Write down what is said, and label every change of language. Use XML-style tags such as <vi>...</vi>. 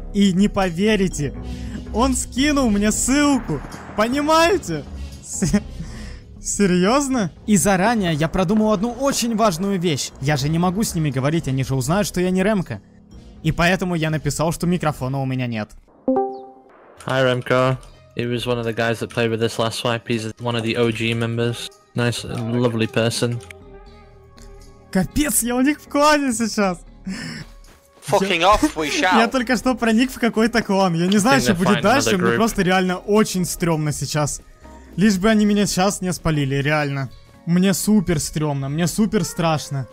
<ru>И не поверите, он скинул мне ссылку, понимаете? Серьезно? И заранее я продумал одну очень важную вещь, я же не могу с ними говорить, они же узнают, что я не Ремка. И поэтому я написал, что микрофона у меня нет.</ru> <en>Hi, Remco. He was one of the guys that played with us last swipe. He's one of the OG members. Nice, lovely person.</en> <ru>Капец, я у них в клане сейчас.</ru> <en>Fucking off, we shout.</en> <ru>Я только что проник в какой-то клан. Я не знаю, что будет дальше. Мне просто реально очень стрёмно сейчас. Лишь бы они меня сейчас не спалили, реально. Мне супер стрёмно, мне супер страшно.</ru>